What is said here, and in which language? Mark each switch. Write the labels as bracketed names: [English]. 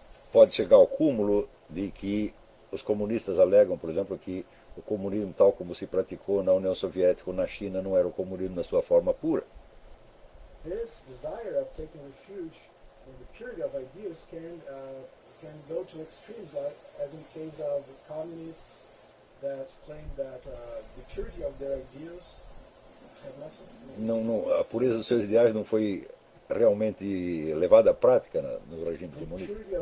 [Portuguese] Pode chegar ao cúmulo de que os comunistas alegam, por exemplo, que o comunismo tal como se praticou na União Soviética ou na China não era o comunismo na sua forma pura. [English] This desire of taking refuge in the purity of ideas can go to extremes, like as in case of communists that claim that the purity of their ideas have nothing. [Portuguese] Não, a pureza dos seus ideais não foi realmente levada à prática no regime comunista.